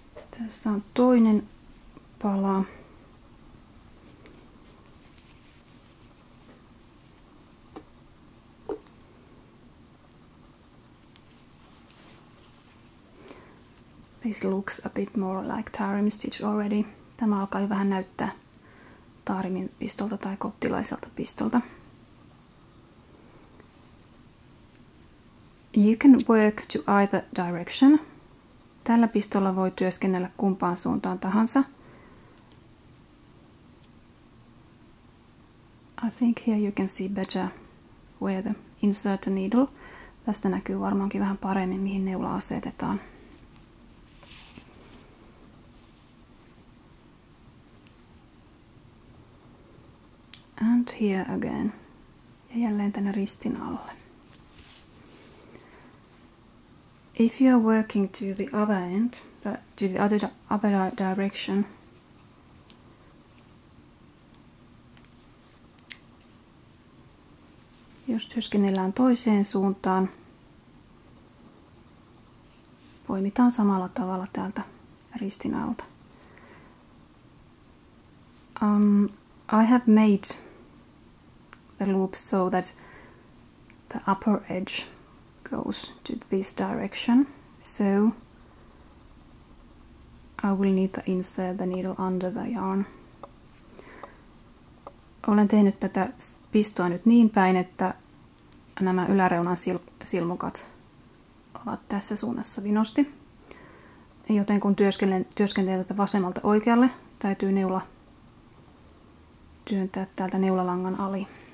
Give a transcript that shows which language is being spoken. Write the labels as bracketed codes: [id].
[fi] Tässä on toinen pala. [en] This looks a bit more like Tarim Stitch already. [fi] Tämä alkaa jo vähän näyttää Tarimin pistolta tai koptilaiselta pistolta. [en] You can work to either direction. [fi] Tällä pistolla voi työskennellä kumpaan suuntaan tahansa. [en] I think here you can see better where the insert a needle. [fi] Tästä näkyy varmaankin vähän paremmin, mihin neula asetetaan. [en] And here again. [fi] Ja jälleen tänne ristin alle. [en] If you are working to the other end, to the other direction, [fi] jos työskennellään toiseen suuntaan, poimitaan samalla tavalla täältä ristin alta. [en] I have made the loop so that the upper edge goes to this direction, so I will need to insert the needle under the yarn. [fi] Olen tehnyt tätä pistoa nyt niin päin, että nämä yläreunan silmukat ovat tässä suunnassa vinosti. Joten kun työskentelen tätä vasemmalta oikealle, täytyy neula työntää täältä neulalangan ali.